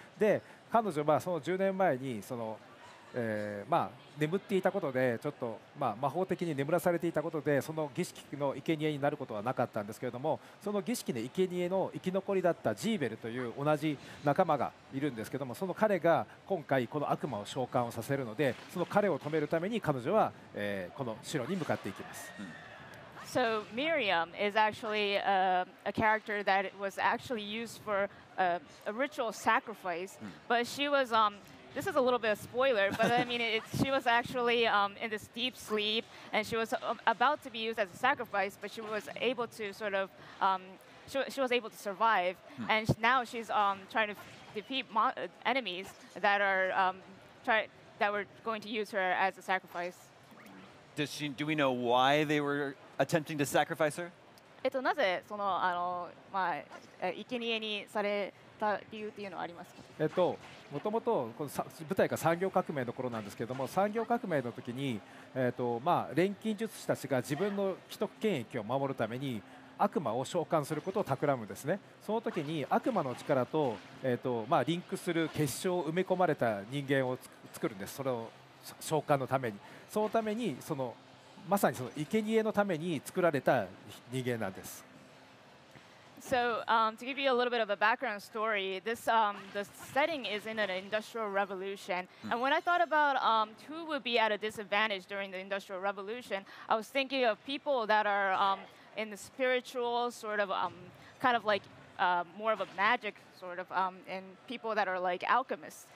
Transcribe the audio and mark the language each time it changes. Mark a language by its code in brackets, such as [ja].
[ja] で、彼女はその10年前にその、まあ、眠っていたことでちょっと、まあ、魔法的に眠らされていたことでその儀式の生贄になることはなかったんですけれども、その儀式の生贄の生き残りだったジーベルという同じ仲間がいるんですけれども、その彼が今回この悪魔を召喚をさせるので、その彼を止めるために彼女は、この城に向かっていきます。 [en] So Miriam is actually a character that was actually used for a ritual sacrifice, but she was This is a little bit of a spoiler, but I mean, she was actually in this deep sleep, and she was about to be used as a sacrifice, but she was able to sort of, she was able to survive, and now she's trying to defeat enemies that are that were going to use her as a sacrifice. Do we know why they were attempting to sacrifice her? [ja] なぜそのあのまあ生贄にされ理由っていうのはありますか？もともとこの舞台が産業革命の頃なんですけれども、産業革命の時に、まあ、錬金術師たちが自分の既得権益を守るために悪魔を召喚することを企むんですね。その時に悪魔の力 と、まあ、リンクする結晶を埋め込まれた人間を作るんです。それを召喚のために、そのためにそのまさにその生贄のために作られた人間なんです。 [en] So, to give you a little bit of a background story, this, the setting is in an industrial revolution. And when I thought about who would be at a disadvantage during the industrial revolution, I was thinking of people that are in the spiritual sort of kind of like more of a magic sort of, and people that are like alchemists.